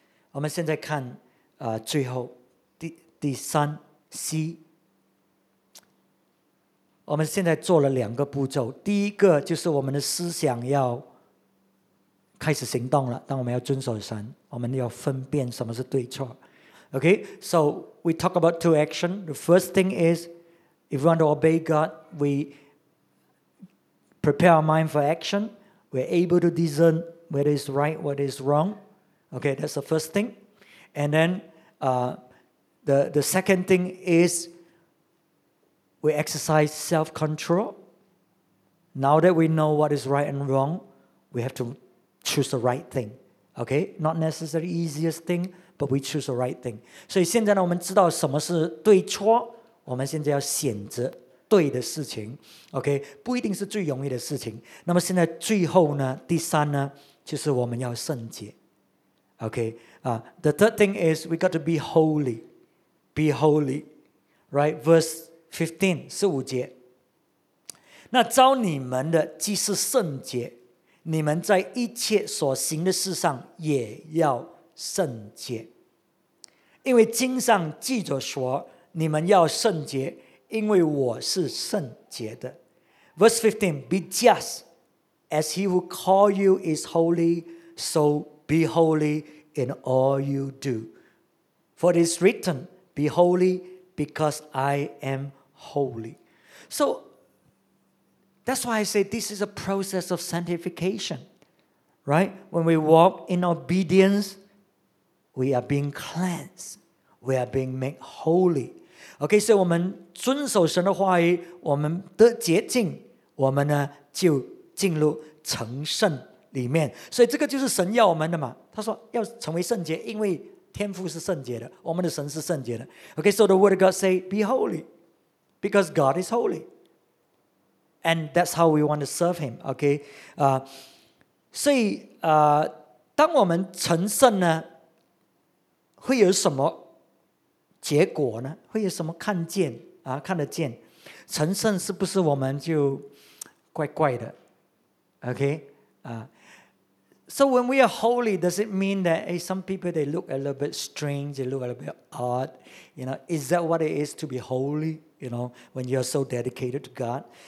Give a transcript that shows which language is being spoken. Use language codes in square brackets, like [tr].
[zh] 我们现在看最后第三 C， 我们现在做了两个步骤，第一个就是我们的思想要开始行动了，当我们要遵守神，我们要分辨什么是对错。 [en] OK， so we talk about two action. The first thing is, if we want to obey God, we prepare our mind for action. We're able to discern whether it's right, whether it's wrong. Okay, that's the first thing. And then the second thing is we exercise self-control. Now that we know what is right and wrong, we have to choose the right thing. Okay, not necessarily the easiest thing, but we choose the right thing. [zh] 所以现在呢，我们知道什么是对错，我们现在要选择对的事情。 Okay, 不一定是最容易的事情。那么现在最后呢，第三呢，就是我们要圣洁。 [en] Okay, the third thing is we got to be holy. Be holy. Right? Verse 15, 15节。 [zh] 那招你们的既是圣洁，你们在一切所行的事上也要圣洁。因为经上记着说，你们要圣洁，因为我是圣洁的。 [en] Verse 15, be just as he who called you is holy, so be holy in all you do. For it is written, be holy because I am holy. So, that's why I say this is a process of sanctification. Right? When we walk in obedience, we are being cleansed. We are being made holy. Okay, so [zh] 我们遵守神的话语，我们得洁净，我们呢就进入成圣里面，所以这个就是神要我们的嘛。他说要成为圣洁，因为天父是圣洁的，我们的神是圣洁的。 [en] Okay, so the word of God say, be holy. Because God is holy. And that's how we want to serve him. Okay? [zh] 所以当我们成圣呢会有什么结果呢会有什么看见啊看得见成圣是不是我们就怪怪的 Okay? [en] So when we are holy, does it mean that hey, some people, they look a little bit strange, they look a little bit odd? You know, is that what it is to be holy, you know, when you are so dedicated to God?